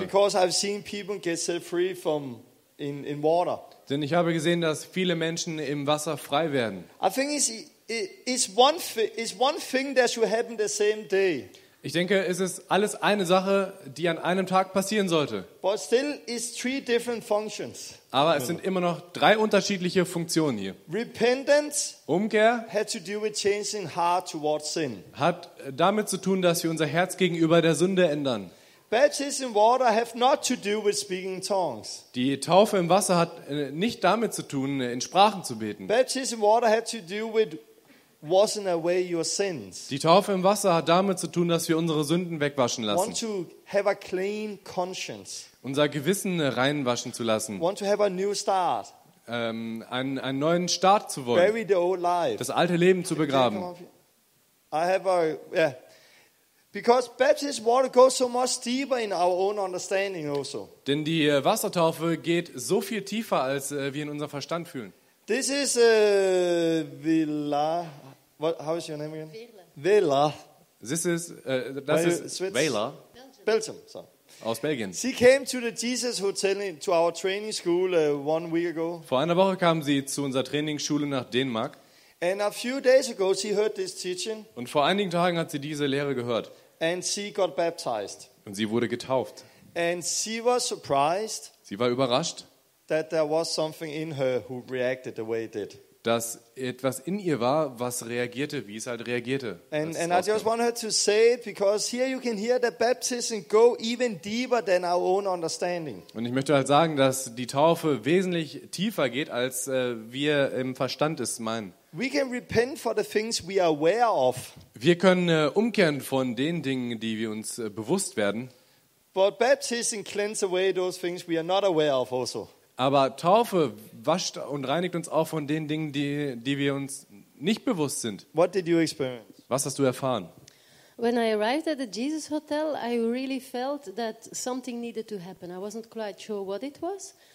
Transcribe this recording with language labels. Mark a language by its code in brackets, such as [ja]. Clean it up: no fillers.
[en] Because I've seen people get set free from in water. [de] Denn ich habe gesehen, dass viele Menschen im Wasser frei werden. [en] I think it's one thing that should happen the same day. [de] Ich denke, es ist alles eine Sache, die an einem Tag passieren sollte. [en] But still it's three different functions. [de] Aber es sind immer noch drei unterschiedliche Funktionen hier. [en] Repentance, [de] Umkehr, [en] had to do with changing heart towards sin. [de] Hat damit zu tun, dass wir unser Herz gegenüber der Sünde ändern. [en] Baptism in water have not to do with speaking in tongues. [de] Die Taufe im Wasser hat nicht damit zu tun, in Sprachen zu beten. [en] Baptism in water had to do with washing away your sins. [de] Die Taufe im Wasser hat damit zu tun, dass wir unsere Sünden wegwaschen lassen. [en] Want to have a clean conscience. [de] Unser Gewissen reinwaschen zu lassen. [en] Want to have a new start. [de] Einen neuen Start zu wollen. [en] Bury the old life. [de] Das alte Leben zu begraben. [en] I have a yeah. Because baptism water goes so much deeper in our own understanding also. [de] Denn die Wassertaufe geht so viel tiefer, als wir in unserem Verstand fühlen. [en] This is Villa. What, how is your name again? Vela. This is Vela. Belgium. So. [de] Aus Belgien. [en] She came to the Jesus Hotel to our training school 1 week ago. [de] Vor einer Woche kam sie zu unserer Trainingsschule nach Dänemark. [en] And a few days ago she heard this teaching. [de] Und vor einigen Tagen hat sie diese Lehre gehört. [en] And she got baptized. [de] Und sie wurde getauft. [en] And she was surprised. [de] Sie war überrascht. [en] That there was something in her who reacted the way it did. [de] Dass etwas in ihr war, was reagierte, wie es halt reagierte. [en] And I just want her to say it, because here you can hear that baptism go even deeper than our own understanding. [de] Und ich möchte halt sagen, dass die Taufe wesentlich tiefer geht, als wir im Verstand es meinen. [en] We can repent for the things we are aware of. [de] Wir können umkehren von den Dingen, die wir uns bewusst werden. [en] But baptism cleanses away those things we are not aware of also. [de] Aber Taufe wascht und reinigt uns auch von den Dingen, die wir uns nicht bewusst sind. [en] What did you experience? [de] Was hast du erfahren? [en] When I arrived at the Jesus Hotel, I really felt that something needed to happen. I wasn't quite sure what it was.